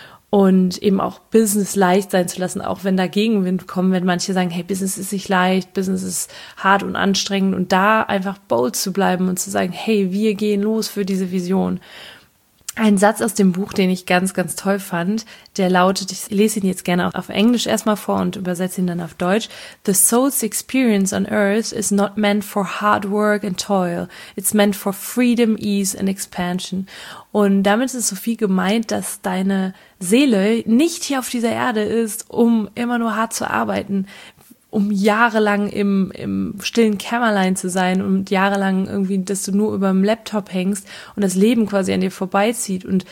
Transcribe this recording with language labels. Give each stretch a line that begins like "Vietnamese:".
German: Und eben auch Business leicht sein zu lassen, auch wenn da Gegenwind kommt, wenn manche sagen, hey, Business ist nicht leicht, Business ist hart und anstrengend, und da einfach bold zu bleiben und zu sagen, hey, wir gehen los für diese Vision. Ein Satz aus dem Buch, den ich ganz, ganz toll fand, der lautet, ich lese ihn jetzt gerne auf Englisch erstmal vor und übersetze ihn dann auf Deutsch.
English: The soul's experience on earth is not meant for hard work and toil. It's meant for freedom, ease and expansion.
German: Und damit ist so viel gemeint, dass deine Seele nicht hier auf dieser Erde ist, um immer nur hart zu arbeiten, um jahrelang im stillen Kämmerlein zu sein und jahrelang irgendwie, dass du nur über dem Laptop hängst und das Leben quasi an dir vorbeizieht.